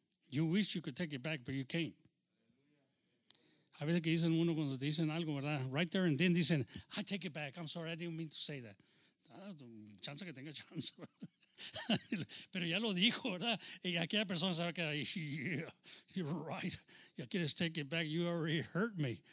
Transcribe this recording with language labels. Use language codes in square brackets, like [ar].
[en] You wish you could take it back, but you can't. [es] A veces que dicen uno cuando te dicen algo, ¿verdad? [en] Right there and then [es] dicen, [en] I take it back. I'm sorry, I didn't mean to say that. [es] Chance que tenga chance. Pero ya lo dijo, ¿verdad? Y aquella persona se va a quedar ahí. [en] Yeah, you're right. You can't take it back. You already hurt me.